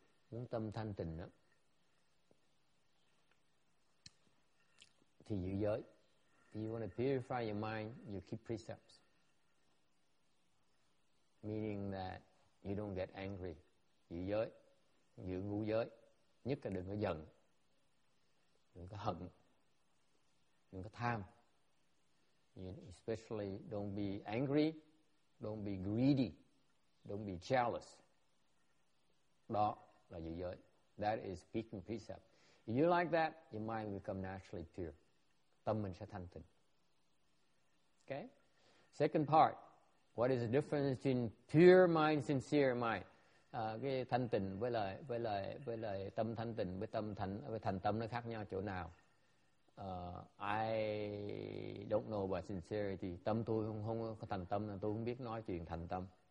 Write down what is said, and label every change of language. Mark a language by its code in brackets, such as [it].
[vi] Muốn tâm thanh tịnh đó thì giữ giới. [en] If you want to purify your mind, you keep precepts. Meaning that you don't get angry. [vi] Giữ giới, giữ ngũ giới. Nhất là đừng có giận, đừng có hận, đừng có tham. [en] You especially don't be angry, don't be greedy, don't be jealous. [vi] Đó là giữ giới. [en] That is keeping precepts. If you like that, your mind will become naturally pure. [vi] Tâm mình sẽ thanh tịnh. [en] Okay? Second part. What is the difference between pure mind, sincere mind? [vi] Cái thanh tịnh với lại tâm thanh tịnh với thành tâm nó khác nhau chỗ nào? [en] I don't know about sincerity. [vi] Tâm tôi không có thành tâm, tôi không biết nói chuyện thành tâm.